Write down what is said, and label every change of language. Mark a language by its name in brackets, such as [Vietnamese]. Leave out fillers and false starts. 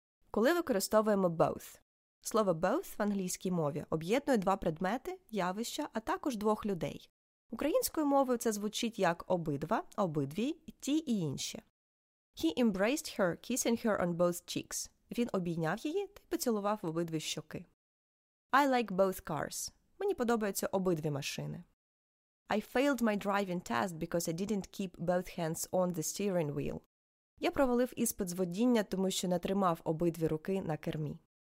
[Ukrainian] Коли використовуємо both? Слово both в англійській мові об'єднує два предмети, явища, а також двох людей. Українською мовою це звучить як обидва, обидві, ті і інші. [English] He embraced her, kissing her on both cheeks. [Ukrainian] Він обійняв її та поцілував в обидві щоки. [English] I like both cars. [Ukrainian] Мені подобаються обидві машини. [English] I failed my driving test because I didn't keep both hands on the steering wheel. [Ukrainian] Я провалив іспит з водіння, тому що не тримав обидві руки на кермі.